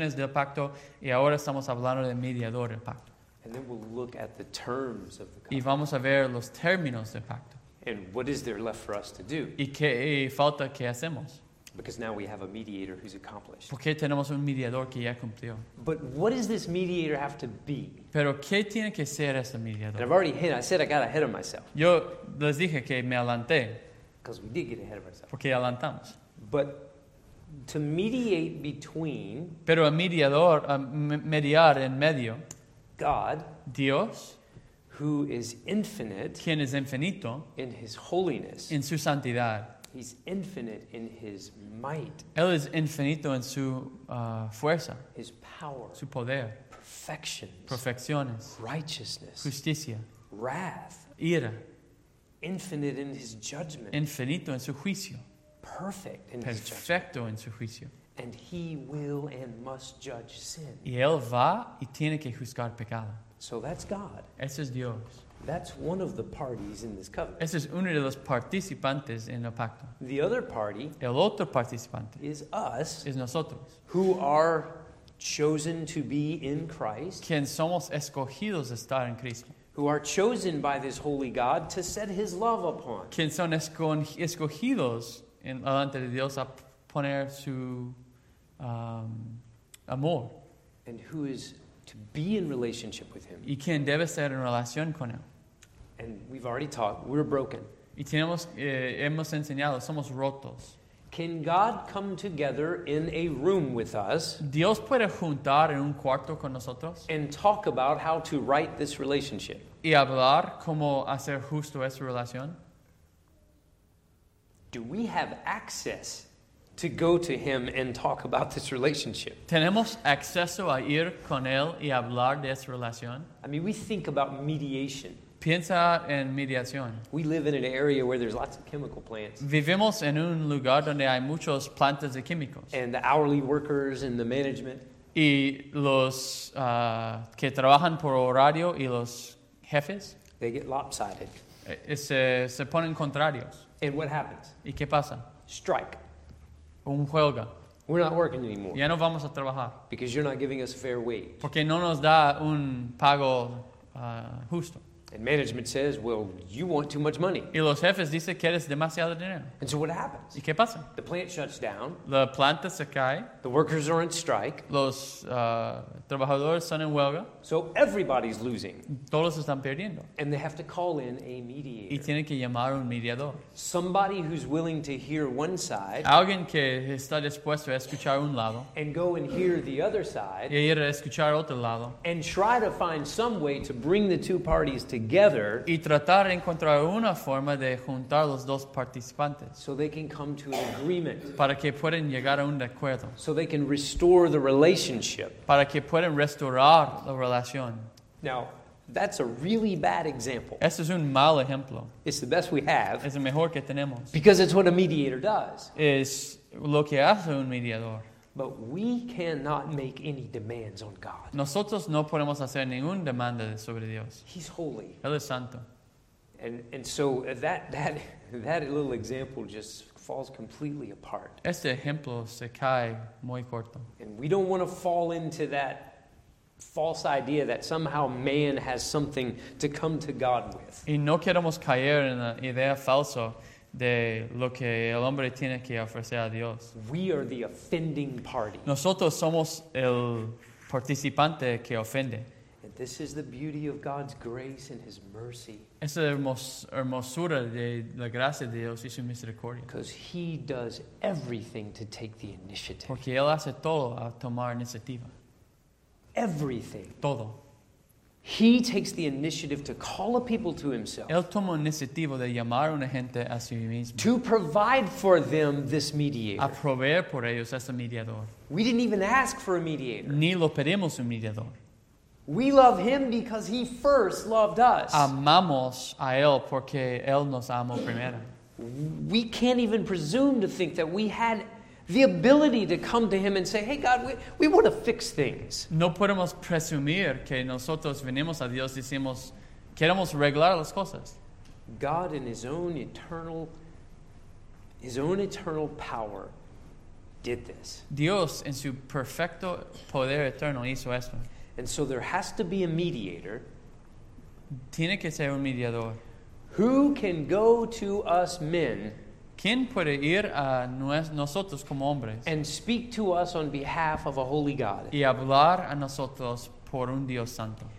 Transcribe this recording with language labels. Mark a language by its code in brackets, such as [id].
[es] del pacto, y ahora estamos hablando del mediador del pacto. [en] And then we'll look at the terms of the covenant. [es] Y vamos a ver los términos del pacto. [en] And what is there left for us to do? [es] Y qué falta que hacemos. [en] Because now we have a mediator who's accomplished. [es] Porque tenemos un mediador que ya cumplió. [en] But what does this mediator have to be? [es] Pero qué tiene que ser ese mediador. [en] And I've already hit, I said I got ahead of myself. [es] Yo les dije que me adelanté. [en] Because we did get ahead of ourselves. [es] Porque adelantamos. [en] But to mediate between, [es] pero a mediador, a mediar en medio, [en] God, [es] Dios, [en] who is infinite, [es] quien es infinito, [en] in his holiness, [es] en su santidad, [en] he's infinite in his might, [es] él es infinito en su fuerza, [en] his power, [es] su poder, perfecciones, [en] righteousness, [es] justicia, [en] wrath, [es] ira, [en] infinite in his judgment, [es] infinito en su juicio. [en] Perfect in his judgment. [es] Perfecto en su juicio. [en] And he will and must judge sin. [es] Y él va y tiene que juzgar pecado. [en] So that's God. [es] Ese es Dios. [en] That's one of the parties in this covenant. [es] Ese es uno de los participantes en el pacto. [en] The other party, [es] el otro participante, [en] is us, [es] es nosotros, [en] who are chosen to be in Christ, [es] quien somos escogidos a estar en Cristo. [en] Who are chosen by this holy God to set his love upon. [es] Quien son escogidos en adelante de Dios a poner su amor. [en] And who is to be in relationship with him. [es] Y quien debe estar en relación con él. [en] And we've already talked, we're broken. [es] Y tenemos, hemos enseñado, somos rotos. [en] Can God come together in a room with us? [es] ¿Dios puede juntar en un cuarto con nosotros? [en] And talk about how to right this relationship. [es] Y hablar cómo hacer justo esa relación. [en] Do we have access to go to him and talk about this relationship? [es] ¿Tenemos acceso a ir con él y hablar de esa relación? [en] I mean, we think about mediation. [es] Piensa en mediación. [en] We live in an area where there's lots of chemical plants. [es] Vivimos en un lugar donde hay muchas plantas de químicos. [en] And the hourly workers and the management. [es] Y los que trabajan por horario y los jefes. [en] They get lopsided. [es] Se ponen contrarios. [en] And what happens? [es] ¿Y qué pasa? [en] Strike. [es] Un huelga. [en] We're not working anymore. [es] Ya no vamos a trabajar. [en] Because you're not giving us a fair wage. [es] Porque no nos da un pago justo. [en] And management says, well, you want too much money. [es] Y los jefes dicen que eres demasiado dinero. [en] And so what happens? [es] ¿Y qué pasa? [en] The plant shuts down. [es] La planta se cae. [en] The workers are on strike. [es] Los trabajadores son en huelga. [en] So everybody's losing. [es] Todos están perdiendo. [en] And they have to call in a mediator. [es] Y tienen que llamar un mediador. [en] Somebody who's willing to hear one side. [es] Alguien que está dispuesto a escuchar un lado. [en] And go and hear the other side. [es] Y ir a escuchar otro lado. [en] And try to find some way to bring the two parties together. [es] Y tratar de encontrar una forma de juntar los dos participantes. [en] So they can come to an agreement. [es] Para que puedan llegar a un acuerdo. [en] So they can restore the relationship. [es] Para que pueden restaurar la relación. [en] Now, that's a really bad example. [es] Este es un mal ejemplo. [en] It's the best we have. [es] Es el mejor que tenemos. [en] Because it's what a mediator does. [es] Es lo que hace un mediador. [en] But we cannot make any demands on God. [es] Nosotros no podemos hacer ningún demanda sobre Dios. [en] He's holy. [es] Él es santo. [en] And so that little example just falls completely apart. [es] Este ejemplo se cae muy corto. [en] And we don't want to fall into that false idea that somehow man has something to come to God with. [es] Y no queremos caer en la idea falsa de lo que el hombre tiene que ofrecer a Dios. [en] We are the offending party. [es] Nosotros somos el participante que ofende. [en] And this is the beauty of God's grace and His mercy. [es] Es la hermosura de la gracia de Dios y su misericordia. [en] Because He does everything to take the initiative. [es] Porque Él hace todo a tomar iniciativa. [en] Everything. [es] Todo. [en] He takes the initiative to call a people to himself. [es] Él toma iniciativa de llamar a una gente a sí mismo. [en] To provide for them this mediator. [es] A proveer por ellos ese mediador. [en] We didn't even ask for a mediator. [es] Ni lo pedimos un mediador. [en] We love him because he first loved us. [es] Amamos a él porque él nos amó primero. [en] We can't even presume to think that we had the ability to come to him and say, hey, God, we want to fix things. [es] No podemos presumir que nosotros venimos a Dios y decimos, queremos arreglar las cosas. [en] God in his own eternal power did this. [es] Dios en su perfecto poder eterno hizo esto. [en] And so there has to be a mediator. [es] Tiene que ser un mediador. [en] Who can go to us men? [es] ¿Quién puede ir a nosotros como hombres? [en] And speak to us on behalf of a holy God. [es] Y hablar a nosotros por un Dios santo.